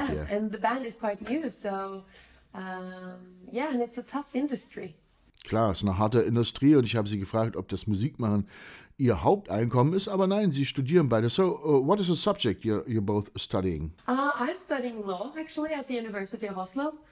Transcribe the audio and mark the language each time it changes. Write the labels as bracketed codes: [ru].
[en] And the band is quite new, so and it's a tough industry. [de] Klar, es ist eine harte Industrie und ich habe sie gefragt, ob das Musikmachen ihr Haupteinkommen ist, aber nein, sie studieren beide. [en] So, what is the subject you're both studying? I'm studying law, actually, at the University of Oslo.